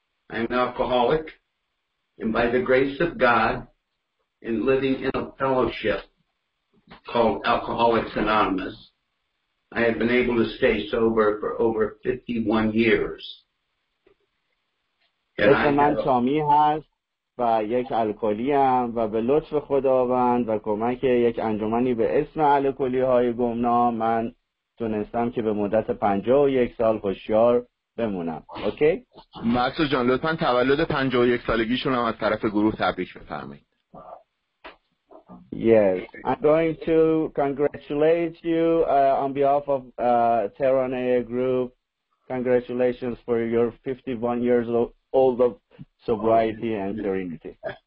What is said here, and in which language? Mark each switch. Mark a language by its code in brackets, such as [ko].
[en] I'm an alcoholic, and by the grace of God, in living in a fellowship called Alcoholics Anonymous, I have been able to stay sober for over 51 years. And I am Tommy has. [fa] و یک الکلی هم و به لطف خداوند و کمک یک انجمنی به اسم الکلی های گمنام من تونستم که به مدت 51 سال هوشیار بمونم. اوکی؟ مرسو جان لطفا تولد 51 سالگیشون هم از طرف گروه تبریک بفرمایید. [en] Yes, I'm going to congratulate you on behalf of Terana group. Congratulations for your 51 years old of sobriety and serenity.